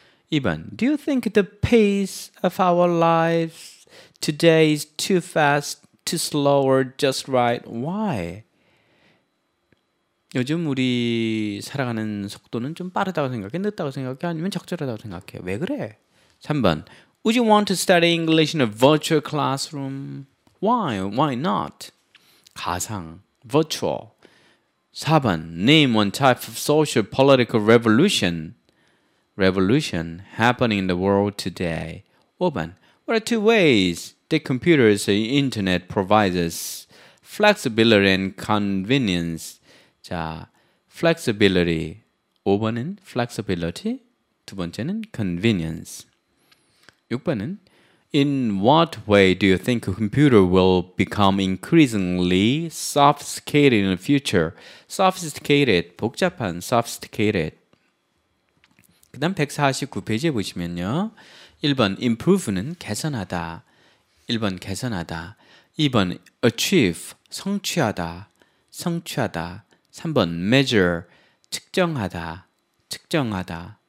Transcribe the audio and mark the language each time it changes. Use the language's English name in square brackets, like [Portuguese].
[English] 2번, do you think the pace of our lives today is too fast, too slow, or just right? Why? [Korean] 요즘 우리 살아가는 속도는 좀 빠르다고 생각해? 늦다고 생각해? 아니면 적절하다고 생각해? 왜 그래? 3번. [English] Would you want to study English in a virtual classroom? Why? Why not? 가상, virtual. 4번. Name one type of social political revolution. Revolution happening in the world today. 5번. What are two ways that computers and internet provides flexibility and convenience? [Korean] 자, flexibility. 5번은 flexibility. 두 번째는 [English] convenience. [Korean] 6번은 [English] In what way do you think a computer will become increasingly sophisticated in the future? Sophisticated, 복잡한, sophisticated. [Korean] 그 다음 149페이지에 보시면요. 1번, improve는 개선하다. 1번, 개선하다. 2번, achieve, 성취하다. 성취하다. 3번, measure, 측정하다. 측정하다.